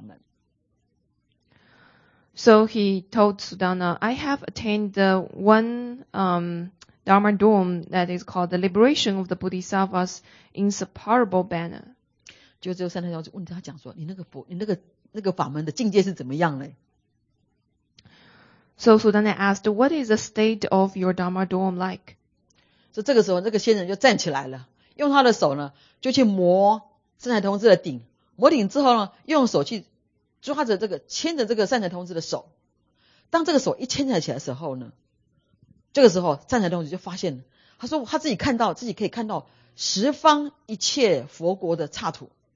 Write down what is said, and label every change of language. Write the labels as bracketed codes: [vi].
[zh] 结果这个仙人就跟善财童子讲说，我有一个法门，叫做菩萨的无甚床解脱的法门。So [en] he told Suddhodana, I have attained the one Dharma Dom that is called the liberation of the Bodhisattvas inseparable banner. [zh] 就只有善财童子问他讲说，你那个法门的境界是怎么样嘞？ [en] So Suddhodana asked, "What is the state of your Dharma Dom like?" [zh] 所以这个时候，那个仙人就站起来了，用他的手呢，就去摸善财童子的顶，摸顶之后呢，用手去抓着这个牵着这个善财童子的手。当这个手一牵起来的时候呢，这个时候善财童子就发现，他说他自己看到十方一切佛国的刹土。